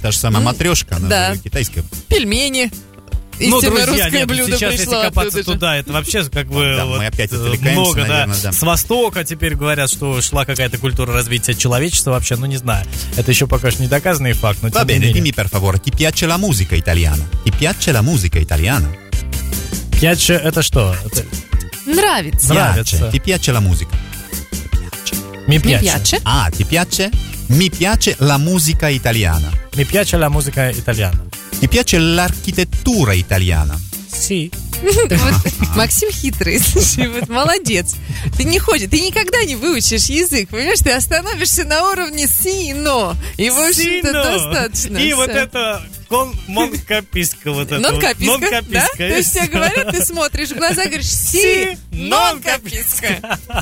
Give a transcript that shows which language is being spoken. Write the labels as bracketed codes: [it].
[ru] Та же самая матрешка, она китайская. Пельмени. Истинное русское блюдо пришло. Ну, друзья, сейчас если копаться туда, это вообще как бы... Да, мы опять отвлекаемся, наверное, да. С востока теперь говорят, что шла какая-то культура развития человечества вообще, ну, не знаю. Это еще пока что не доказанный факт, но тем не менее. Бабе, [it] dimmi per favore, ti piace la musica italiana? Ti piace la musica italiana? [ru] Piace, это что? Нравится. Нравится. [it] Ti piace la musica? Mi piace. А, ti piace? Mi piace la musica italiana. Mi piace la musica italiana. Ti piace l'architettura italiana? Sì. [ru] Вот, Максим хитрый, слушай, вот, молодец. Ты не ходишь, ты никогда не выучишь язык, понимаешь? Ты остановишься на уровне си и но. И, в общем-то, [it] си, [ru] достаточно. И все. Вот это нонкописка вот эта. Нонкописка, вот. Да? То есть тебе говорят, ты смотришь в глаза, говоришь, си, нонкописка.